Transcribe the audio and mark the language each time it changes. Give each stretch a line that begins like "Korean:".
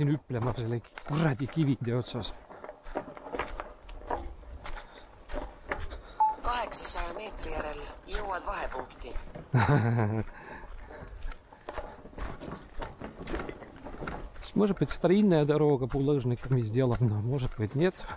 English: and here it's like a stone way from 19th century.
Estonian: 800 meetri järel jõuad vahepunkti.
Russian: Может быть, старинная дорога булыжниками сделана, может быть, нет.